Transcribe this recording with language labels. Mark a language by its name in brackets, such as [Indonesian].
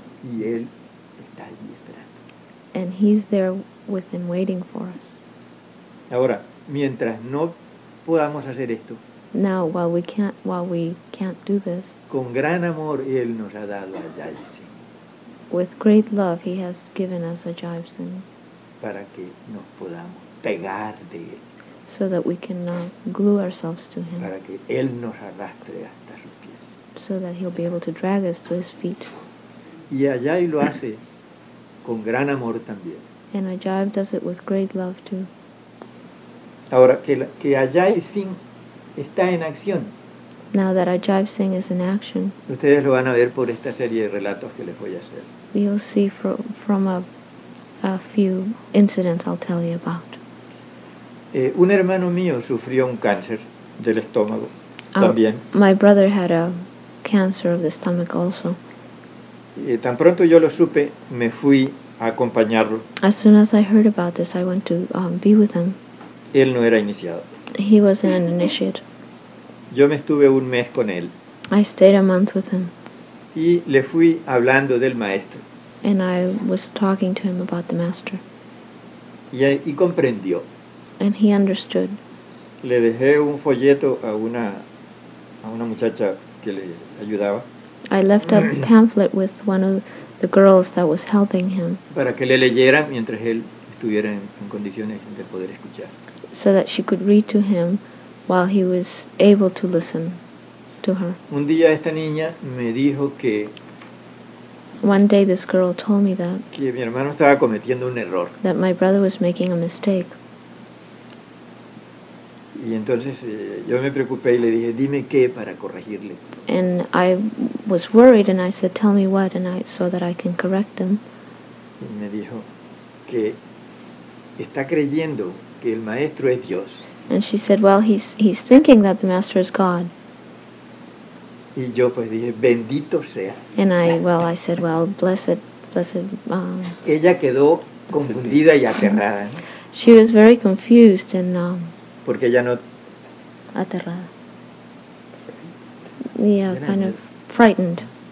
[Spanish] Y él está allí esperando. [English] And he's there within waiting for us. [Spanish] Ahora, mientras no podamos hacer esto, [English] now, while we can't do this, [Spanish] con gran amor él nos ha dado a Jai Singh. [English] With great love he has given us a Jai Singh. [Spanish] Para que nos podamos pegar de él. [English] So that we can glue ourselves to him. [Spanish] Para que él nos arrastre hasta sus pies. [English] So that he'll be able to drag us to his feet. [Spanish] Y a Jai lo hace con gran amor también. [English] And a Jai does it with great love too. [Spanish] Ahora que a Jai Singh está en acción. [English] Now that Ajay Singh is in action. [Spanish] Ustedes lo van a ver por esta serie de relatos que les voy a hacer. [English] You'll see from a few incidents I'll tell you about. [Spanish] Un hermano mío sufrió un cáncer del estómago también. [English] My brother had a cancer of the stomach also. [Spanish] Tan pronto yo lo supe, me fui a acompañarlo. [English] As soon as I heard about this, I went to be with him. [Spanish] Él no era iniciado. [English] He wasn't an initiate. [Spanish] Yo me estuve un mes con él. [English] I stayed a month with him. [Spanish] Y le fui hablando del maestro. [English] And I was talking to him about the master. [Spanish] Y comprendió. [English] And he understood. [Spanish] Le dejé un folleto a una muchacha que le ayudaba. [English] I left a pamphlet with one of the girls that was helping him. [Spanish] Para que le leyera mientras él estuviera en condiciones de poder escuchar. [English] So that she could read to him while he was able to listen to her. [Spanish] Un día esta niña me dijo que [English] one day this girl told me that [Spanish] que mi hermano estaba cometiendo un error. [English] That my brother was making a mistake. [Spanish] Y entonces yo me preocupé y le dije, dime qué para corregirle. [English] And I was worried and I said, tell me what, and I so that I can correct him. [Spanish] Y me dijo que está creyendo que el maestro es Dios. [English] And she said, well, he's thinking that the master is God. [Spanish] Y yo pues dije, bendito sea. [English] And I said, well, blessed. [Spanish] Ella quedó confundida y aterrada. [English] She was very confused and [Spanish] porque ella no aterrada. [English] Yeah, kind of frightened.